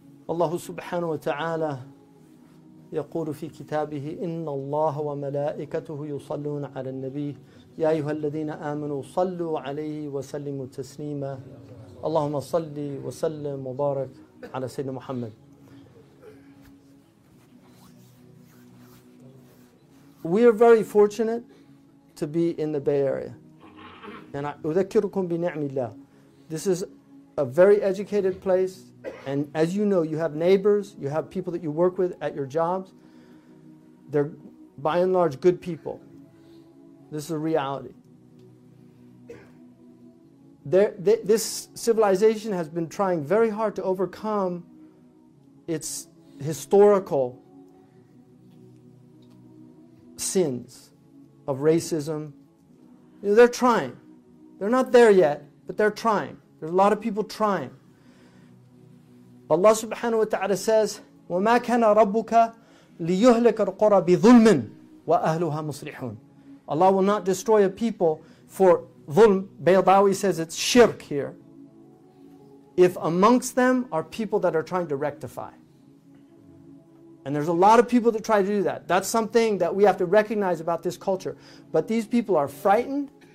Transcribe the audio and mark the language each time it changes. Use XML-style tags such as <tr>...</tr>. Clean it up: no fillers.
<ar>الله سبحانه وتعالى يقول في كتابه إن الله وملائكته يصلون على النبي يا أيها الذين آمنوا صلوا عليه وسلموا تسليما. اللهم صل وسلم وبارك على سيدنا محمد.</ar> <en>We are very fortunate to be in the Bay Area. And I</en> <ar>أذكركم بنعم الله.</ar> <en>This is a very educated place. And as you know, you have neighbors, you have people that you work with at your jobs. They're by and large good people. This is a reality. This civilization has been trying very hard to overcome its historical sins of racism. You know, they're trying. They're not there yet, but they're trying. There's a lot of people trying. Allah subhanahu wa ta'ala says,</en> <ar>وَمَا كَانَ رَبُّكَ لِيُهْلِكَ الْقُرَى بِظُلْمٍ وَأَهْلُهَا مُصْلِحُونَ.</ar> <en>Allah will not destroy a people for dhulm. Baydawi says it's shirk here. If amongst them are people that are trying to rectify. And there's a lot of people that try to do that. That's something that we have to recognize about this culture. But these people are frightened.</en>